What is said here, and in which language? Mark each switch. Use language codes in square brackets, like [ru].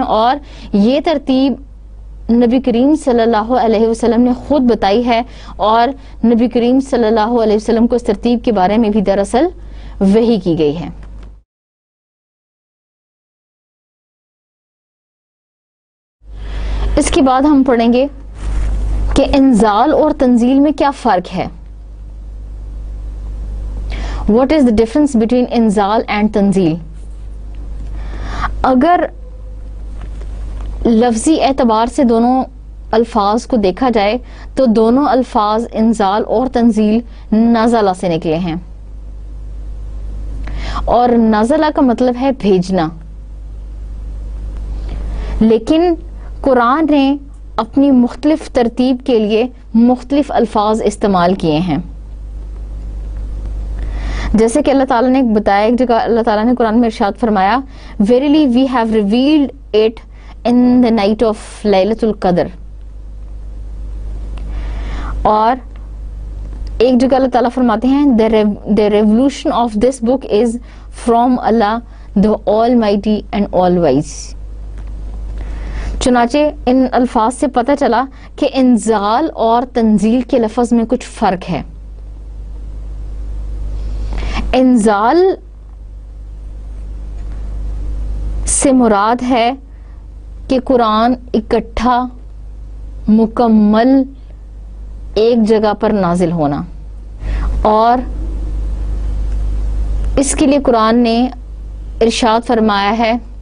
[ur] اور یہ ترتیب نبی کریم صلی اللہ علیہ وسلم نے خود بتائی ہے, اور نبی کریم صلی اللہ علیہ وسلم کو اس ترتیب کے بارے میں بھی دراصل وحی کی گئی ہے. اس کے بعد ہم پڑھیں گے کہ انزال اور تنزیل میں کیا فرق ہے. [en] What is the difference between انزال and تنزیل. [ur] اگر لفظی اعتبار سے دونوں الفاظ کو دیکھا جائے تو دونوں الفاظ انزال اور تنزیل نزلہ سے نکلے ہیں, اور نزلہ کا مطلب ہے بھیجنا. لیکن قرآن نے اپنی مختلف ترتیب کے لیے مختلف الفاظ استعمال کیے ہیں. جیسے کہ اللہ تعالیٰ نے بتایا, ایک جگہ اللہ تعالیٰ نے قرآن میں ارشاد فرمایا, [en] Verily we have revealed it in the night of Laylatul Qadr. [ur] اور ایک جگہ اللہ تعالیٰ فرماتے ہیں, [en] the revolution of this book is from Allah the Almighty and All Wise. [ur] چنانچہ ان الفاظ سے پتہ چلا کہ انزال اور تنزیل کے لفظ میں کچھ فرق ہے. انزال سے مراد ہے کہ قرآن اکٹھا مکمل ایک جگہ پر نازل ہونا, اور اس کے لیے قرآن نے ارشاد فرمایا ہے,